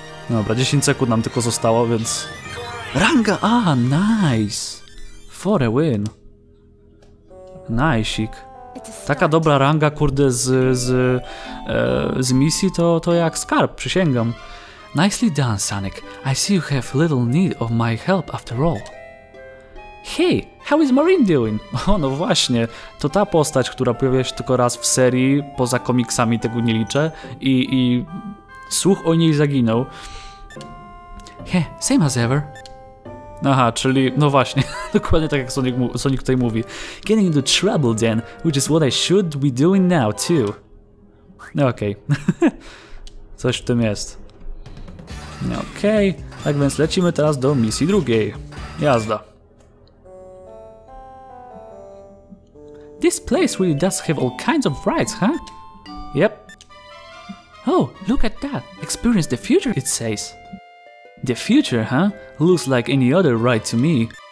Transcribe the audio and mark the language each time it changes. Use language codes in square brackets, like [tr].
[pl] Dobra, 10 sekund nam tylko zostało, więc... Ranga! A, [en] nice! For a win. [pl] Najsik. Taka dobra ranga, kurde, z misji, to jak skarb, przysięgam. [en] Nicely done, Sonic. I see you have little need of my help after all. Hey, how is Marine doing? [pl] O, no właśnie, to ta postać, która pojawia się tylko raz w serii, poza komiksami, tego nie liczę, i słuch o niej zaginął. [en] Hey, same as ever. [pl] Aha, czyli, no właśnie, dokładnie tak jak Sonic tutaj mówi. [en] Getting into trouble then, which is what I should be doing now too. [pl] Okej. Okay. Coś w tym jest. Okej, okay. Tak więc lecimy teraz do misji drugiej. Jazda. [en] This place really does have all kinds of rides, huh? Yep. Oh, look at that. Experience the future, it says. The future, huh? Looks like any other ride to me.